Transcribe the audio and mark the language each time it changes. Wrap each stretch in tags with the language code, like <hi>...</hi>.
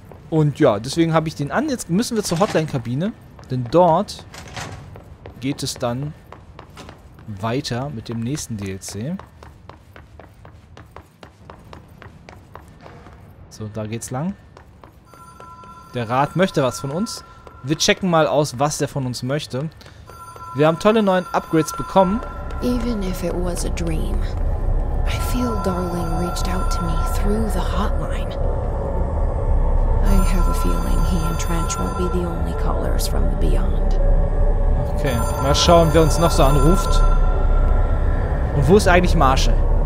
<de>Und ja, deswegen habe ich den an. Jetzt müssen wir zur Hotline-Kabine. Denn dort geht es dann weiter mit dem nächsten DLC. So, da geht's lang. Der Rat möchte was von uns. Wir checken mal aus, was der von uns möchte. Wir haben tolle neuen Upgrades bekommen.</de> <en>Even if it was a dream, I feel Darling reached out to me through the hotline. I have a feeling he and Trench won't be the only callers from the beyond.</en> <de>Okay, mal schauen, wer uns noch so anruft. Und wo ist eigentlich Marshall?</de>